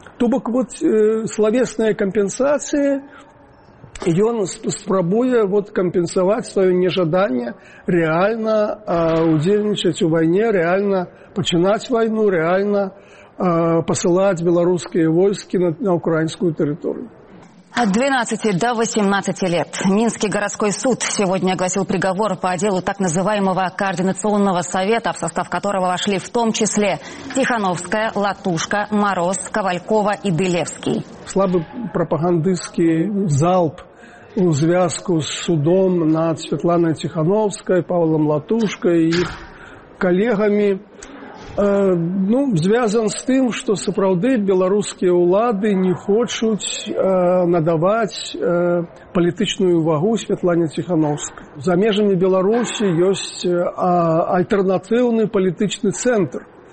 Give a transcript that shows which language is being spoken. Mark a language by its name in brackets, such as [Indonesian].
[Belarusian] То бок, вот славесная кампенсацыя, ён спрабуе вот кампенсаваць сваё нежаданне рэальна ўдзельнічаць у вайне, рэальна пачынаць вайну, рэальна пасылаць беларускія войскі на ўкраінскую тэрыторыю. [Russian] От 12 до 18 лет. Минский городской суд сегодня огласил приговор по делу так называемого координационного совета, в состав которого вошли в том числе Тихановская, Латушка, Мороз, Ковалькова и Делевский. Слабый пропагандистский залп в связку с судом над Светланой Тихановской, Павлом Латушкой и их коллегами. [Belarusian] Ну, звязан з тым, што сапраўды беларускія ўлады не хочуць надаваць палітычную вагу Святлане Ціхановскай. За межамі Беларусі ёсць альтэрнатыўны палітычны цэнтр.